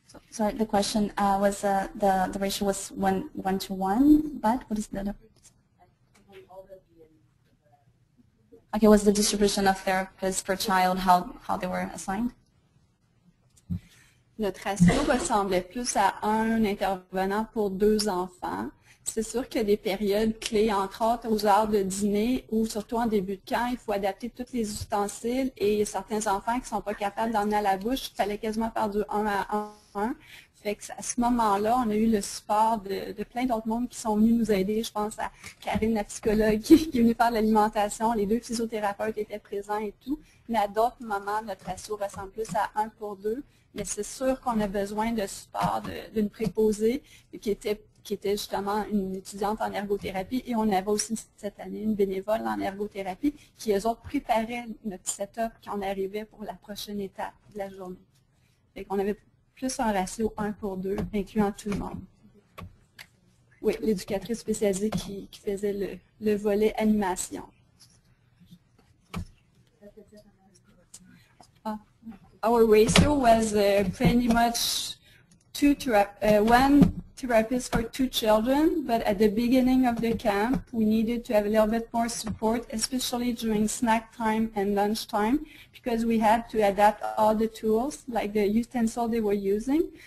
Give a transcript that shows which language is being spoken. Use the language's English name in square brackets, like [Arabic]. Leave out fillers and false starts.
[English] Sorry, the question was the ratio was one to one, but what is the other? Okay, was the distribution of therapists per child how they were assigned? [French] Notre ratio ressemblait plus à un intervenant pour 2 enfants. C'est sûr qu'il y a des périodes clés, entre autres aux heures de dîner ou surtout en début de camp, il faut adapter tous les ustensiles et certains enfants qui ne sont pas capables d'en aller à la bouche, il fallait quasiment faire du 1 à 1. Fait que à ce moment-là, on a eu le support de plein d'autres mondes qui sont venus nous aider. Je pense à Karine, la psychologue, qui est venue faire de l'alimentation. Les deux physiothérapeutes étaient présents et tout. Mais à d'autres moments, notre ratio ressemble plus à 1 pour 2. Mais c'est sûr qu'on a besoin de support d'une préposée qui était qui était justement une étudiante en ergothérapie, et on avait aussi cette année une bénévole en ergothérapie qui, eux autres, préparaient notre setup quand on arrivait pour la prochaine étape de la journée. Fait qu'on avait plus un ratio 1 pour 2, incluant tout le monde. Oui, l'éducatrice spécialisée qui faisait le volet animation. [English] Our ratio was pretty much one therapist for two children, but at the beginning of the camp, we needed to have a little bit more support, especially during snack time and lunch time, because we had to adapt all the tools, like the utensil they were using.